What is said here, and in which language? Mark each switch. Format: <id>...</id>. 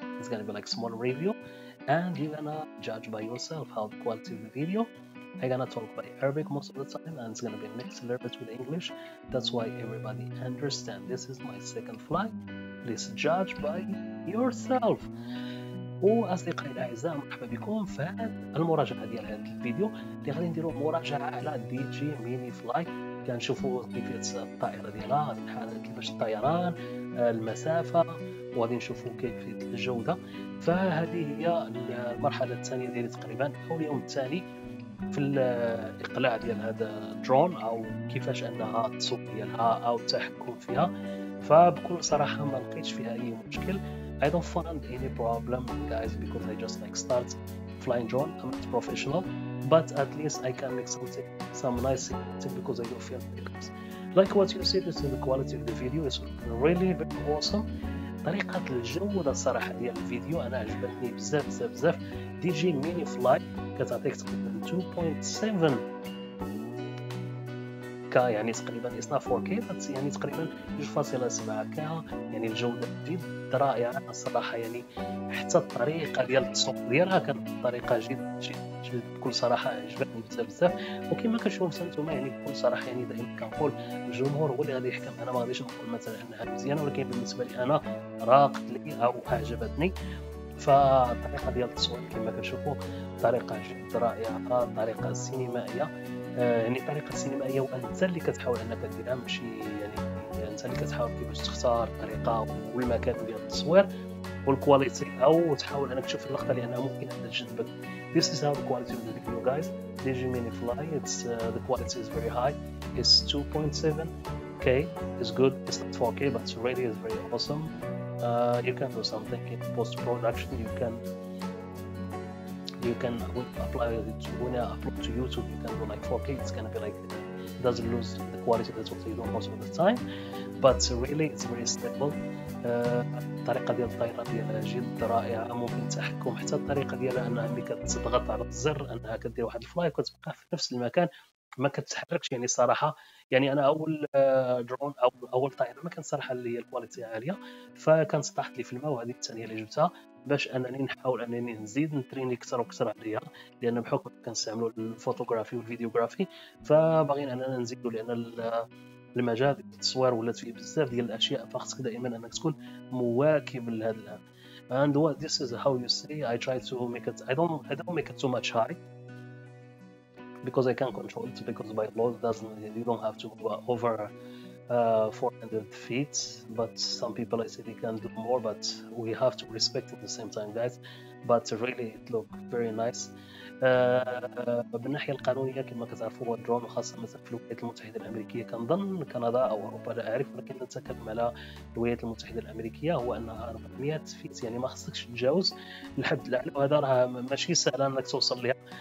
<en>It's gonna be like small review, and you're gonna judge by yourself how the quality of the video. I'm gonna talk by Arabic most of the time, and it's gonna be mixed a little bit with English. That's why everybody understand. This is my second fly. Please judge by yourself.</en> <ar>وأصدقائي الأعزاء مرحبا بكم في المراجعة ديال هذا الفيديو اللي غادي نديرو مراجعة على دي جي ميني فلاي. كنشوفو كيفية الطائرة ديالها، الحالة كيفاش الطيران، المسافة، وغادي نشوفو كيفية الجودة. فهذه هي المرحلة الثانية ديالي تقريبا، أو اليوم الثاني في الإقلاع ديال هذا الدرون، أو كيفاش أنها تصوب ديالها أو التحكم فيها. فبكل صراحة ما لقيتش فيها أي مشكل.</ar> <en>I don't find any problem, guys, because I just like start flying drone. I'm not professional, but at least I can make some nice thing because I do film videos. Like what you see, this is the quality of the video. It's really very awesome.</en> <ar>طريقة الجو ده صراحة ديال الفيديو أنا عجبتني بزاف بزاف بزاف. دي جي ميني فلاي كتعطيك تقريبا 2.7 يعني تقريبا اصلا 4K، يعني تقريبا 2.7 كا، يعني الجوده جد رائعه الصراحه. يعني حتى الطريقه ديال التصوير ديالها كانت طريقه جد بكل صراحه عجبتني بزاف بزاف. وكما كنشوفوا انتم، يعني بكل صراحه، يعني دائما كنقول الجمهور هو اللي غادي يحكم. انا ما غاديش نقول مثلا انها مزيانه، ولكن بالنسبه لي انا راقت لي او اعجبتني. فالطريقه ديال التصوير كما كنشوفوا طريقه جد رائعه، طريقه سينمائيه، يعني طريقة سينمائية، وأنت اللي كتحاول أنك ديرها، ماشي يعني أنت اللي كتحاول كيفاش تختار الطريقة والمكان ديال التصوير والكواليتي، أو تحاول أنك تشوف اللقطة لأنها ممكن أنها تجذبك.</ar> <en>This is how the quality of the video, guys. Digi Mini Fly, it's the quality is very high. It's 2.7K. It's good. It's not 4K, but really it's very awesome. You can do something in post production. You can apply it to, when I upload to YouTube, you can do like 4K. It's gonna be like, it doesn't lose the quality. That's what you do most of the time. But really, it's very stable.</en> <ar>الطريقة ديال الطيران ديالها جد رائعة، ممكن تحكم حتى الطريقة ديالها أنها ملي كتضغط على الزر أنها كدير واحد الفلاي وكتبقى في نفس المكان ما كتحركش. يعني صراحة، يعني أنا أول درون أو أول طائرة ما كان صراحة اللي هي الكواليتي عالية، فكان سطحت لي في الماء. وهذه الثانية اللي جبتها باش انني نحاول انني نزيد نتريني اكثر واكثر عليها، لان بحكم كنستعملوا الفوتوغرافي والفيديوغرافي، فباغيين اننا نزيدوا، لان المجال ديال التصوير ولات فيه بزاف ديال الاشياء، فخصك دائما انك تكون مواكب لهذا الان.</ar> <en>And what, this is how you see. I try to make it, I don't make it too much high because I can control it, because by law doesn't, you don't have to go over 400 feet, but some people I say they can do more, but we have to respect at the same time, guys. But really, it looks very nice.</en> <ar>من الناحية القانونية، كما كتعرفوا، هو الدرون خاصة مثلا في الولايات المتحدة الأمريكية، كنظن كندا أو أوروبا لا أعرف، ولكن نتكلم على الولايات المتحدة الأمريكية، هو أنها 400 فيت، يعني ما خصكش تتجاوز الحد الأعلى، وهذا راه ماشي سهل أنك توصل ليها.</ar>